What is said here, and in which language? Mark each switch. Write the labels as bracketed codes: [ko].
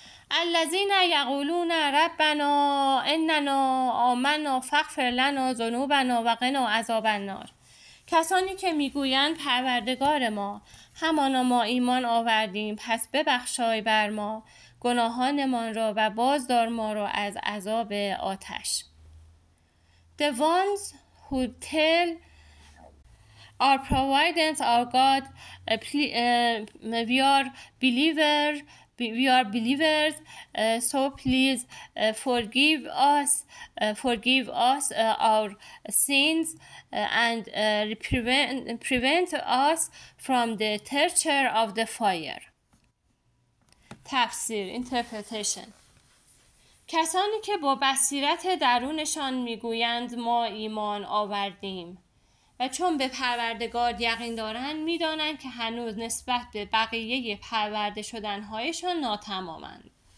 [ar] الذين يقولون ربنا اننا آمنا فاغفر لنا ذنوبنا وقنا عذاب النار. [fa] کسانی که میگویند پروردگار ما همانا ما ایمان آوردیم پس ببخشای بر ما گناهانمان را و بازدار ما را از عذاب آتش. [en] The ones who tell our providence, our God, we are believer, we are believers, so please forgive us our sins and prevent us from the torture of the fire. [fa] تفسیر interpretation. کسانی که با بصیرت درونشان میگویند ما ایمان آوردیم و چون به پروردگار یقین دارند میدانند که هنوز نسبت به بقیه پرورده شدنهایشان ناتمامند.